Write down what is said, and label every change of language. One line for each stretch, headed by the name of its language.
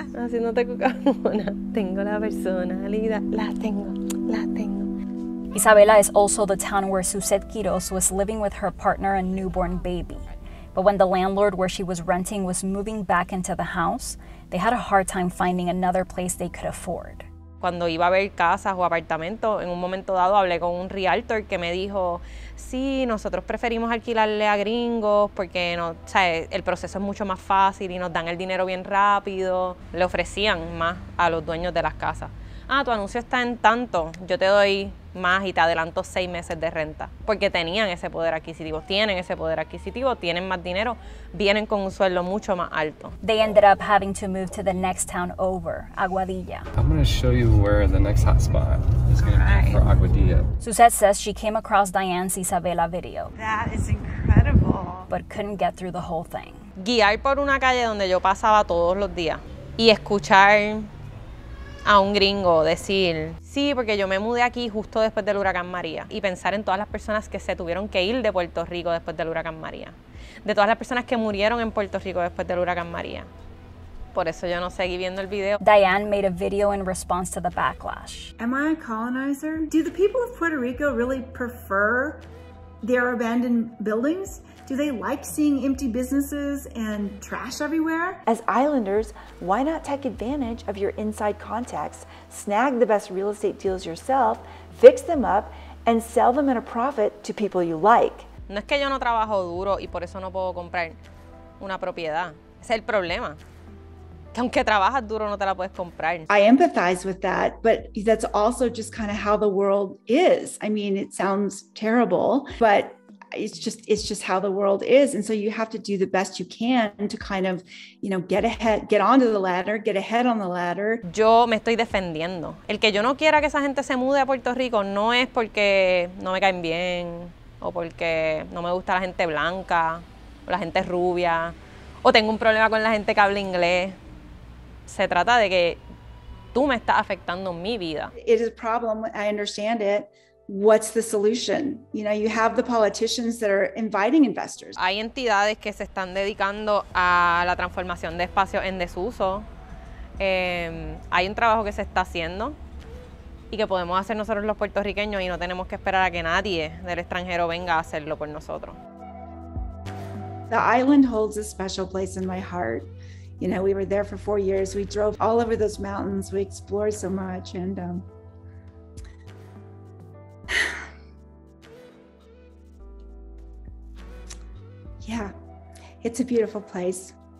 Spanish: Si no te cucamona, tengo la personalidad. La tengo, la tengo.
English: Isabela is also the town where Suset Quiroz was living with her partner and newborn baby. But when the landlord where she was renting was moving back into the house, they had a hard time finding another place they could afford.
Spanish: Cuando iba a ver casas o apartamentos, en un momento dado hablé con un realtor que me dijo, sí, nosotros preferimos alquilarle a gringos porque no, o sea, el proceso es mucho más fácil y nos dan el dinero bien rápido. Le ofrecían más a los dueños de las casas. Ah, tu anuncio está en tanto, yo te doy más y te adelanto 6 meses de renta. Porque tenían ese poder adquisitivo, tienen ese poder adquisitivo, tienen más dinero, vienen con un sueldo mucho más alto.
English: They ended up having to move to the next town over, Aguadilla. I'm gonna show you where the next hot spot is gonna be for Aguadilla. Suzette says she came across Diane's Isabela video. That is incredible. But couldn't get through the whole thing.
Spanish: Guiar por una calle donde yo pasaba todos los días y escuchar a un gringo decir, sí, porque yo me mudé aquí justo después del huracán María. Y pensar en todas las personas que se tuvieron que ir de Puerto Rico después del huracán María. De todas las personas que murieron en Puerto Rico después del huracán María. Por eso yo no seguí viendo el video.
English: Diane made a video in response to the backlash. Am I a colonizer? Do the people of Puerto Rico really prefer their abandoned buildings? Do they like seeing empty businesses and trash everywhere? As islanders, why not take advantage of your inside contacts, snag the best real estate deals yourself, fix them up, and sell them at a profit to people you like?
Spanish: No es que yo no trabajo duro y por eso no puedo comprar una propiedad. Es el problema. Que aunque trabajas duro, no te la puedes comprar.
English: I empathize with that, but that's also just kind of how the world is. I mean, it sounds terrible, but it's just how the world is. And so you have to do the best you can to kind of, you know, get ahead, get onto the ladder, get ahead on the ladder.
Spanish: Yo me estoy defendiendo. El que yo no quiera que esa gente se mude a Puerto Rico no es porque no me caen bien o porque no me gusta la gente blanca o la gente rubia o tengo un problema con la gente que habla inglés. Se trata de que tú me estás afectando mi vida.
English: It is a problem, I understand it. What's the solution? You know, you have the politicians that are inviting investors.
Spanish: Hay entidades que se están dedicando a la transformación de espacios en desuso. Hay un trabajo que se está haciendo y que podemos hacer nosotros los puertorriqueños y no tenemos que esperar a que nadie del extranjero venga a hacerlo por nosotros.
English: The island holds a special place in my heart. You know, we were there for 4 years. We drove all over those mountains. We explored so much and yeah, it's a beautiful place.